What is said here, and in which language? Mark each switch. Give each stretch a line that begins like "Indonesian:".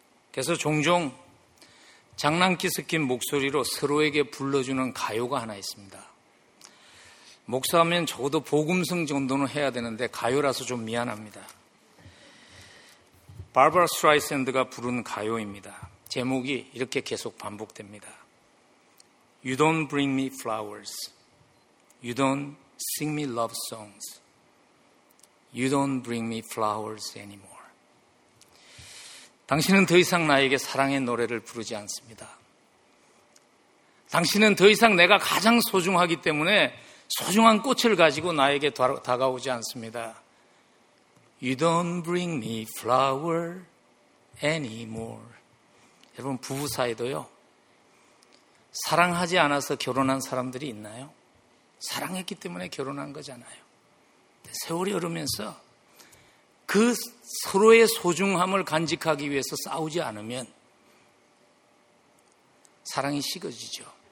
Korean: 그래서 종종 장난기 섞인 목소리로 서로에게 불러주는 가요가 하나 있습니다. 목사하면 적어도 복음성 정도는 해야 되는데 가요라서 좀 미안합니다. 바바라 스트라이샌드가 부른 가요입니다. 제목이 이렇게 계속 반복됩니다.
English: You don't bring me flowers. You don't sing me love songs. You don't bring me flowers anymore.
Korean: 당신은 더 이상 나에게 사랑의 노래를 부르지 않습니다. 당신은 더 이상 내가 가장 소중하기 때문에 소중한 꽃을 가지고 나에게 다가오지 않습니다.
English: You don't bring me flower anymore.
Korean: 여러분 부부 사이도요. 사랑하지 않아서 결혼한 사람들이 있나요? 사랑했기 때문에 결혼한 거잖아요. 세월이 흐르면서 그 서로의 소중함을 간직하기 위해서 싸우지 않으면 사랑이 식어지죠.